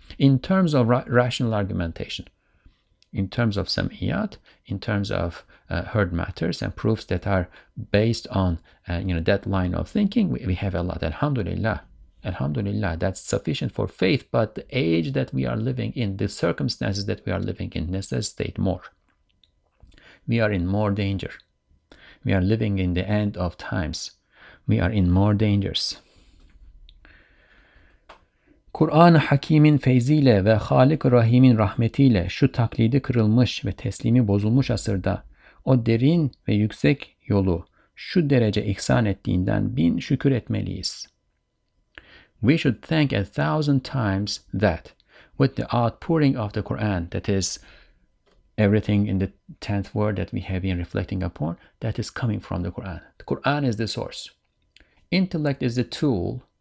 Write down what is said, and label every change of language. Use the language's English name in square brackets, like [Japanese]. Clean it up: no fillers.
[English] In terms of rational argumentation, in terms of sam'iyat, in terms of heard matters and proofs that are based on that line of thinking, we have a lot. Alhamdulillah. Alhamdulillah, that's sufficient for faith, but the age that we are living in, the circumstances that we are living in, necessitate more. We are in more danger. We are living in the end of times. We are in more dangers. [Turkish] Kur'an Hakimin feyziyle ve Halik Rahimin rahmetiyle şu taklidi kırılmış ve teslimi bozulmuş asırda o derin ve yüksek yolu şu derece ihsan ettiğinden bin şükür etmeliyiz. [English] We should thank 1,000 times that with the outpouring of the Quran, that is everything in the 10th word that we have been reflecting upon, that is coming from the Quran. The Quran is the source. Intellect is the tool.